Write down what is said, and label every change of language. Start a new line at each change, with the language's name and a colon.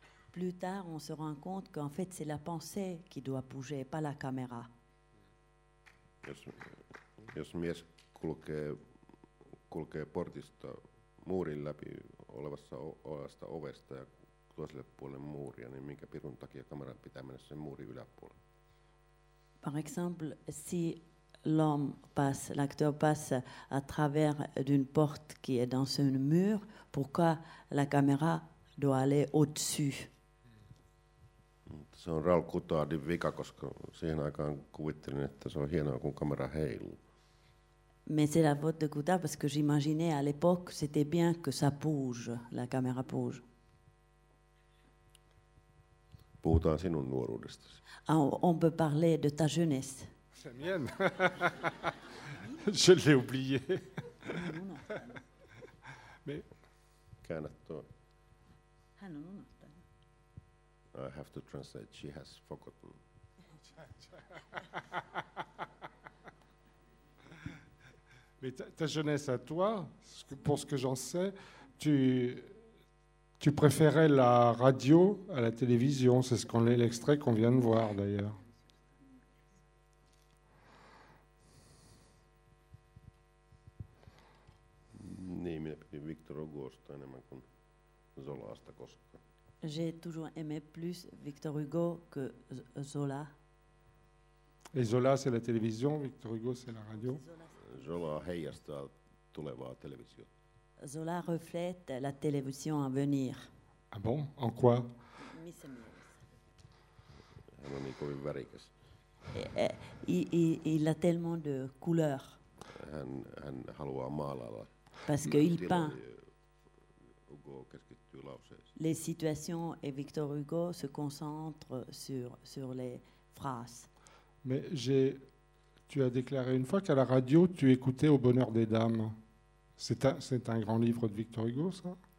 French: Plus tard, on se rend compte qu'en fait, c'est la pensée qui doit bouger, pas la caméra.
Finnish: Jos mies kulkee portista muurin läpi olevasta ovesta ja toiselle puolelle muuria, niin minkä pirun takia kameran pitää mennä sen muurin yläpuolelle?
French: Par exemple, si l'homme passe, l'acteur passe à travers d'une porte qui est dans un mur, pourquoi la caméra doit aller au-dessus?
Finnish: Se on Raul Coutardin vika, koska siihen aikaan kuvittelin, että se on hienoa, kun kamera heiluu.
French: Mais c'est la faute de Coutard, parce que j'imaginais à l'époque, c'était bien que ça bouge, la caméra bouge.
Finnish: Puhutaan sinun nuoruudestasi.
French: On peut parler de ta jeunesse. C'est mienne. Je l'ai oublié. Mais...
Finnish: Käännä toi. Hän on unohtanut.
English: I have to translate, she has forgotten.
French: Mais ta jeunesse à toi, pour ce que j'en sais, tu préférais la radio à la télévision, c'est l'extrait qu'on vient de voir d'ailleurs.
Finnish: Niin, minä pidin Victor Hugosta enemmän kuin Zolaasta koskaan.
French: J'ai toujours aimé plus Victor Hugo que Zola. Et Zola, c'est la télévision, Victor Hugo, c'est la radio.
Finnish: Zola heijastaa tulevaa televisio.
French: Zola reflète la télévision à venir. Ah bon? En quoi? Miss Amiens.
Finnish: Hän on niin kovin värikäs.
French: Il a tellement de couleurs.
Finnish: Hän haluaa maalailla.
French: Parce qu'il peint.
Finnish: Hugo keskittyy lauseeseen.
French: Les situations et Victor Hugo se concentrent sur les phrases. Mais tu as déclaré une fois qu'à la radio, tu écoutais Au bonheur des dames. C'est un grand livre de Victor Hugo, ça?